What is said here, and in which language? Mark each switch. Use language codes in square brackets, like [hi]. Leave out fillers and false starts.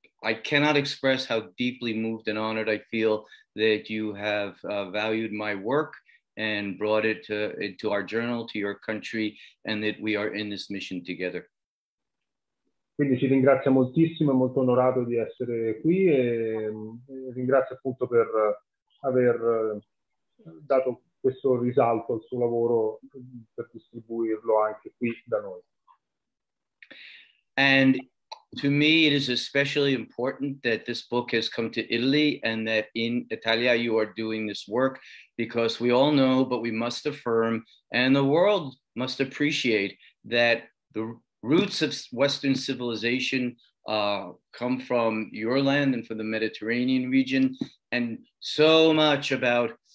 [en] I cannot express how deeply moved and honored I feel that you have valued my work and brought it into our journal, to your country, and that we are in this mission together. [it] Quindi ci ringrazio moltissimo, è molto onorato di essere qui e ringrazio appunto per aver dato questo risalto al suo lavoro per distribuirlo anche qui da noi. [en] And to me it is especially important that this book has come to Italy and that in Italia you are doing this work, because we all know, but we must affirm, and the world must appreciate, that the roots of Western civilization come from your land and from the Mediterranean region, and so much about